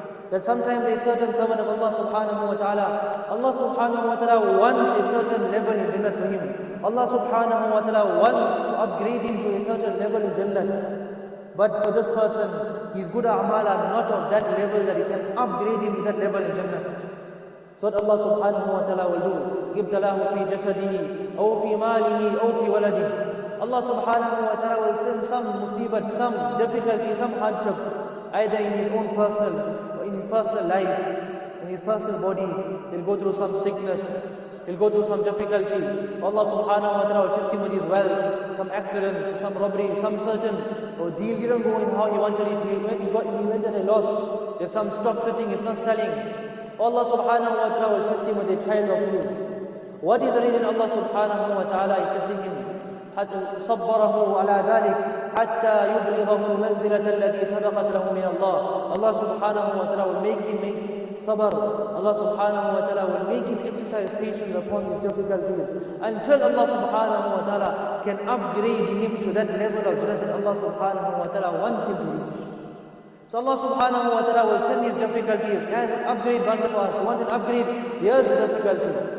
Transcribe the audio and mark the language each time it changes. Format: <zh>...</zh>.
<en>That sometimes a certain servant of Allah subhanahu wa ta'ala, Allah subhanahu wa ta'ala wants a certain level in Jannat for him. Allah subhanahu wa ta'ala wants to upgrade him to a certain level in Jannat. But for this person, his good a'mal are not of that level that he can upgrade him to that level in Jannat. So what Allah subhanahu wa ta'ala will do,</en> <ar>إِبْتَلَاهُ فِي جَسَدِهِ أَوْ فِي مَالِهِ أَوْ فِي وَلَدِهِ.</ar> <en>Allah subhanahu wa ta'ala will send some musibat, some difficulty, some hardship, either in his own personal or in his personal life, in his personal body. He'll go through some sickness, he'll go through some difficulty. Allah subhanahu wa ta'ala will test him with his wealth, some accident, some robbery, some certain deal didn't go in how he wanted it. He went at a loss, there's some stock sitting, it's not selling. Allah subhanahu wa ta'ala will test him with a child of his. What is the reason Allah subhanahu wa ta'ala is testing him?</en> <ar>صبره على ذلك حتى يبلغه المنزلة التي سبقت له من الله.</ar> <en>Allah subhanahu wa ta'ala will make him make sabr. Allah subhanahu wa ta'ala will make him exercise patience upon his difficulties until Allah subhanahu wa ta'ala can upgrade him to that level of Jannah that Allah subhanahu wa ta'ala wants him to reach. So Allah subhanahu wa ta'ala will send his difficulties. Here's an upgrade, one of us want an upgrade, here's the difficulty.</en>